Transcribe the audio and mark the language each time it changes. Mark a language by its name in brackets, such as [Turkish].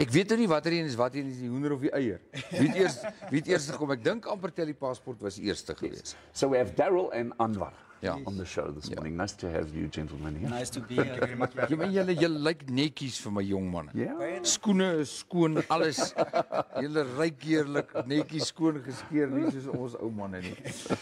[Afrikaans] Ek weet nou nie watter een is wat een is die hoender of die eier. Wie het eerste gekom? Ek dink amper telepaspoort was eerste geweest. [English] Yes. So we have Darryl and Anwar on the show this morning. Nice to have you gentlemen here. Nice to be here. [Afrikaans] Jy meen jy lyk netjies vir my jong manne. [English] Yeah. [Afrikaans] Skoene is skoon, alles. Julle ryk heerlik, netjies skoon geskeer nie soos ons ou manne nie.